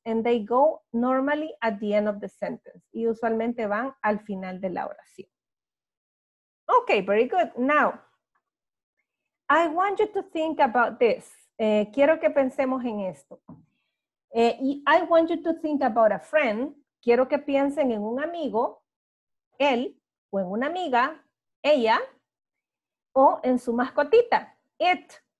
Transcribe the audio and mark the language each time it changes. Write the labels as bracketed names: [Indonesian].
[English] And they go normally at the end of the sentence. [Spanish] Y usualmente van al final de la oración. [English] Okay, very good. Now, I want you to think about this. [Spanish] Quiero que pensemos en esto. [English] I want you to think about a friend. [Spanish] Quiero que piensen en un amigo, él, o en una amiga, ella, o en su mascotita, it.